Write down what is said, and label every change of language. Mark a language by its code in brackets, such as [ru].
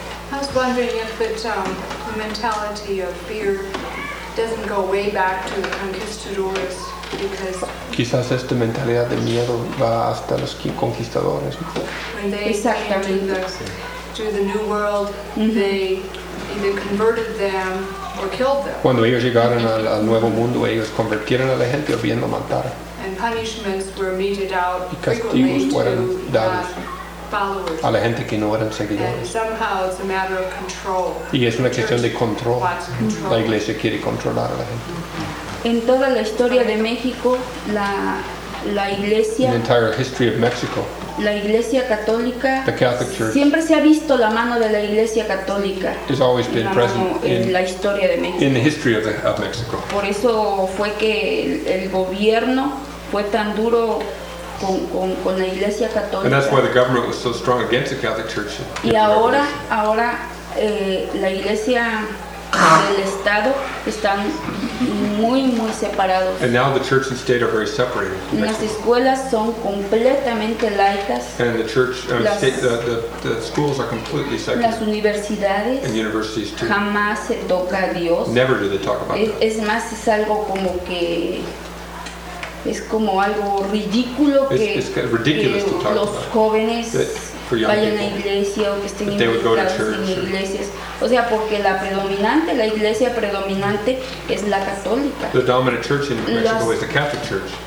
[en] I was wondering if the mentality of fear doesn't go way back to the conquistadors. Because [es] quizás esta mentalidad de miedo va hasta los conquistadores. [en] When they came to the New World, they either converted them or killed them. [es] Cuando ellos llegaron al Nuevo Mundo, ellos convirtieron a la gente o bien lo mataron. [en] And punishments were meted out [es] y castigos fueron dados [en] followers. [es] A la gente que no eran seguidores. [en] And somehow it's a matter of control. [es] Y es una cuestión de control. Control. La iglesia quiere controlar a la gente. En toda la historia de México, la iglesia, [en] the entire history of Mexico, [es] la iglesia católica, [en] the Catholic Church, [es] siempre se ha visto la mano de la iglesia católica, [en] has always been present [es] en la historia de México. [en] In the history of Mexico. [es] Por eso fue que el gobierno fue tan duro con la iglesia católica. [en] And that's why the government was so strong against the Catholic Church. [es] Y ahora la iglesia del estado están muy separados. [en] And now the church and state are very separated. [es] Las escuelas son completamente laicas. [en] And the church the schools are completely secular. [es] Las universidades [en] and universities too. [es] Jamás se toca a Dios. [en] Never do they talk about it. [es] Es más, es algo como que es como algo ridículo que los jóvenes vayan a iglesia o que estén invitados en iglesias. O sea, porque la iglesia predominante es la católica. [en] The dominant church in Mexico is the Catholic Church.